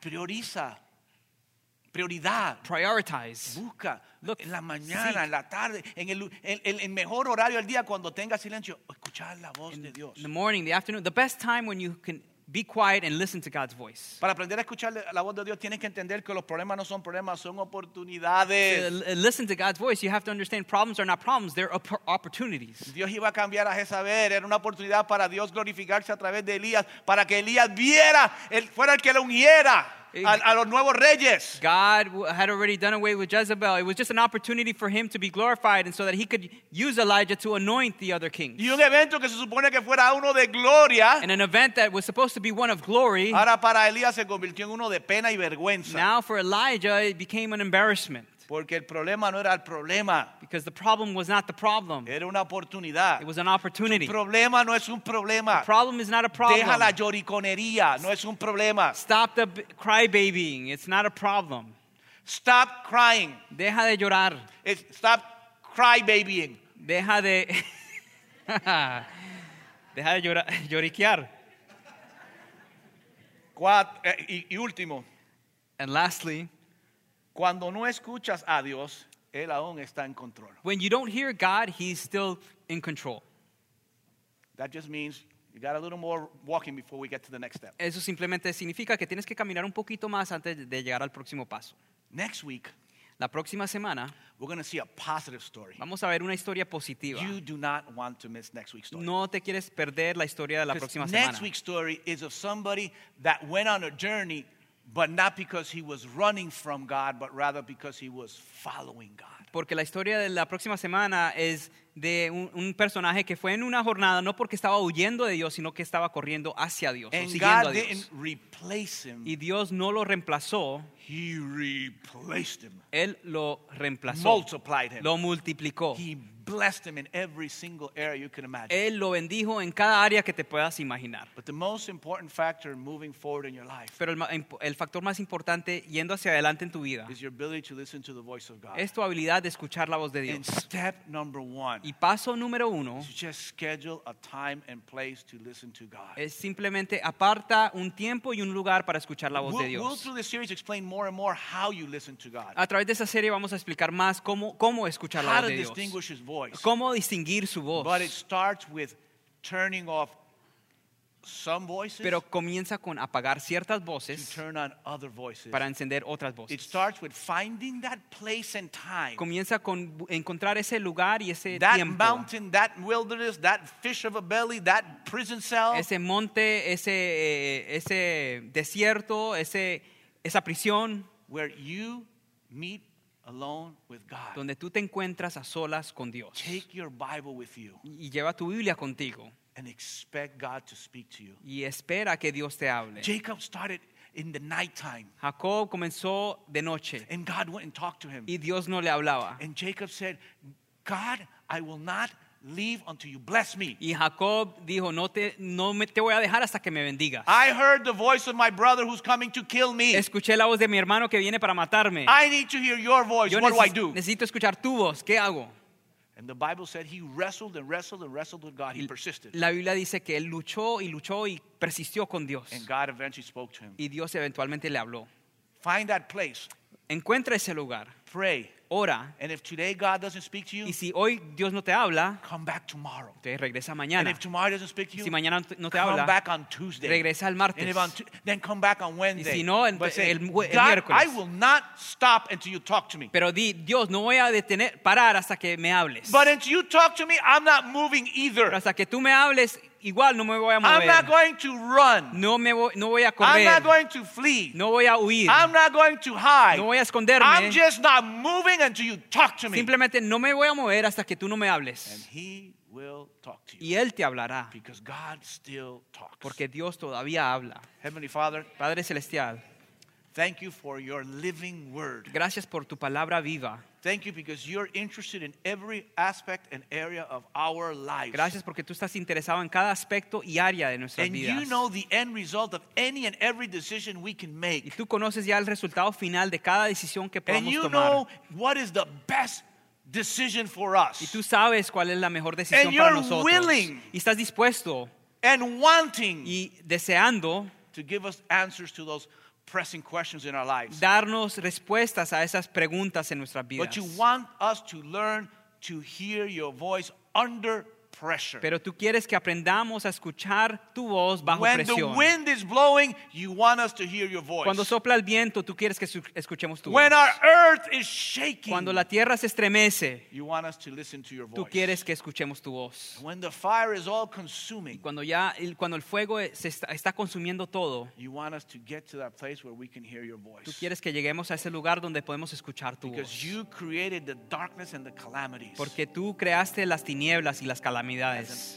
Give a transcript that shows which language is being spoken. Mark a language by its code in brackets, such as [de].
[es] Prioriza. Prioridad. [en] Prioritize. [es] Busca. [en] Look, [es] en la mañana, [en] seek. [es] En la tarde, en el mejor horario del día, cuando tenga silencio, escuchar la voz [en] in [es] de Dios. [en] In the morning, the afternoon, the best time when you can be quiet and listen to God's voice. [es] Para aprender a escuchar la voz de Dios, tienes que entender que los problemas no son problemas, son oportunidades. [en] Listen to God's voice. You have to understand problems are not problems; they're opportunities. [es] Dios iba a cambiar a Jezabel. Era una oportunidad para Dios glorificarse a través de Elías, para que Elías viera, fuera el que lo ungiera a los nuevos reyes. [en] God had already done away with Jezebel. It was just an opportunity for him to be glorified, and so that he could use Elijah to anoint the other kings. [es] Y un evento que se supone que fuera uno de gloria. [en] And an event that was supposed to be one of glory. [es] Ahora para Elías se convirtió en uno de pena y vergüenza. [en] Now for Elijah, it became an embarrassment. [es] Porque el problema no era el problema. [en] Because the problem was not the problem. [es] Era una oportunidad. [en] It was an opportunity. [es] Tu problema no es un problema. [en] The problem is not a problem. [es] Deja la lloriconería. No es un problema. [en] Stop the crybabying. It's not a problem. Stop crying. [es] Deja de llorar. [en] Stop crybabying. [es] Deja de... Deja de lloriquear. Y último. [en] And lastly... [es] Cuando no escuchas a Dios, él aún está en control. [en] When you don't hear God, he's still in control. That just means you got a little more walking before we get to the next step. [es] Eso simplemente significa que tienes que caminar un poquito más antes de llegar al próximo paso. [en] Next week, [es] la próxima semana, [en] we're going to see a positive story. [es] Vamos a ver una historia positiva. [en] You do not want to miss next week's story. [es] No te quieres perder la historia de la próxima semana. [en] Next week's story is of somebody that went on a journey. But not because he was running from God, but rather because he was following God. [es] Porque la historia de la próxima semana es de un personaje que fue en una jornada no porque estaba huyendo de Dios, sino que estaba corriendo hacia Dios, [en] and [es] o siguiendo a Dios. [en] Didn't replace him. [es] Y Dios no lo reemplazó. [en] He replaced him. [es] Él lo reemplazó. [en] Multiplied him. [es] Lo multiplicó. [en] He blessed him in every single area you can imagine. [es] Él lo bendijo en cada área que te puedas imaginar. [en] But the most important factor moving forward in your life. [es] Pero el factor más importante yendo hacia adelante en tu vida. [en] Is your ability to listen to the voice of God. [es] Es tu habilidad de escuchar la voz de Dios. [en] And step number one. [es] Y paso número uno. [en] Is just schedule a time and place to listen to God. [es] Es simplemente aparta un tiempo y un lugar para escuchar la voz [en] we'll, [es] de Dios. [en] We'll through this series explain more and more how you listen to God. [es] A través de esta serie vamos a explicar más cómo escuchar la voz de Dios. Cómo distinguir su voz. [en] But it starts with turning off some voices. [es] Pero comienza con apagar ciertas voces. [en] To turn on other voices. [es] Para encender otras voces. [en] It starts with finding that place and time. [es] Comienza con encontrar ese lugar y ese [en] that [es] tiempo. [en] That mountain, that wilderness, that fish of a belly, that prison cell. [es] Ese monte, ese desierto, esa prisión. [en] Where you meet alone with God. [es] Donde tú te encuentras a solas con Dios. [en] Take your Bible with you. [es] Y lleva tu Biblia contigo. [en] And expect God to speak to you. [es] Y espera que Dios te hable. [en] Jacob started in the nighttime. [es] Jacob comenzó de noche. [en] And God went and talked to him. [es] Y Dios no le hablaba. [en] And Jacob said, God, I will not leave until you bless me. [es] Y Jacob dijo, no te voy a dejar hasta que me bendigas. [en] I heard the voice of my brother who's coming to kill me. [es] Escuché la voz de mi hermano que viene para matarme. [en] I need to hear your voice. [es] Yo [en] what do I do? [es] Necesito escuchar tu voz. ¿Qué hago? [en] And the Bible said he wrestled and wrestled and wrestled with God. He persisted. [es] La Biblia dice que él luchó y luchó y persistió con Dios. [en] And God eventually spoke to him. [es] Y Dios eventualmente le habló. [en] Find that place. [es] Encuentra ese lugar. [en] Pray. [es] Ora. [en] And if today God doesn't speak to you, [es] y si hoy Dios no te habla, [en] come back tomorrow. [es] Te regresa mañana. [en] And if tomorrow doesn't speak to you, [es] si mañana no te [en] come [es] habla, [en] back on Tuesday. [es] Regresa el martes. [en] And if on then come back on Wednesday. [es] Y si no, [en] but say, God, I will not stop until you talk to me. [es] Pero di, Dios, no voy a detener, parar hasta que me hables. [en] But until you talk to me, I'm not moving either. [es] Hasta que tú me hables, igual no me voy a mover. [en] I'm not going to run. [es] No voy a correr. [en] I'm not going to flee. [es] No voy a huir. [en] I'm not going to hide. [es] No voy a esconderme. [en] I'm just not moving until you talk to me. [es] Simplemente no me voy a mover hasta que tú no me hables. [en] And he will talk to you. [es] Y él te hablará. [en] Because God still talks. [es] Porque Dios todavía habla. [en] Heavenly Father, [es] Padre celestial, [en] thank you for your living word. [es] Gracias por tu palabra viva. [en] Thank you because you're interested in every aspect and area of our lives. [es] Gracias porque tú estás interesado en cada aspecto y área de nuestras [en] and [es] vidas. [en] And you know the end result of any and every decision we can make. [es] Y tú conoces ya el resultado final de cada decisión que podemos tomar. [en] And you [es] tomar. [en] Know what is the best decision for us. [es] Y tú sabes cuál es la mejor decisión [en] and [es] para [en] you're [es] nosotros. [en] Willing [es] y estás dispuesto [en] and wanting [es] y deseando [en] to give us answers to those pressing questions in our lives. [es] Darnos respuestas a esas preguntas en nuestras vidas. [en] But you want us to learn to hear your voice under pressure. [es] Pero tú quieres que aprendamos a escuchar tu voz bajo [en] when [es] presión. [en] When the wind is blowing, you want us to hear your voice. [es] Cuando sopla el viento, tú quieres que escuchemos tu [en] when When our earth is shaking, [es] cuando la tierra se estremece, [en] you want us to listen to your voice. [es] Tú quieres que escuchemos tu voz. [en] When the fire is all consuming, [es] cuando el fuego se está consumiendo todo, [en] you want us to get to that place where we can hear your voice. [es] Tú quieres que lleguemos a ese lugar donde podemos escuchar tu [en] because [es] voz. [en] Because you created the darkness and the calamities. [es] Porque tú creaste las tinieblas y las calamidades.